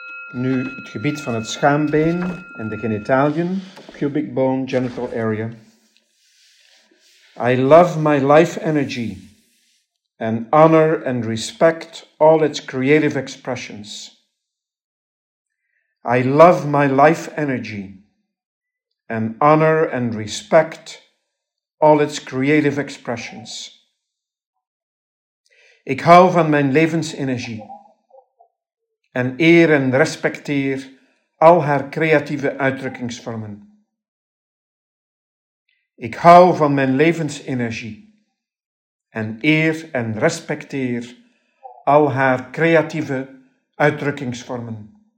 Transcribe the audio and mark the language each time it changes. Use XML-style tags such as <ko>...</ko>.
<nl>Nu het gebied van het schaambeen en de genitaliën,</nl> <en>pubic bone, genital area. I love my life energy and honor and respect all its creative expressions. I love my life energy and honor and respect all its creative expressions.</en> <nl>Ik hou van mijn levensenergie en eer en respecteer al haar creatieve uitdrukkingsvormen. Ik hou van mijn levensenergie en eer en respecteer al haar creatieve uitdrukkingsvormen.</nl>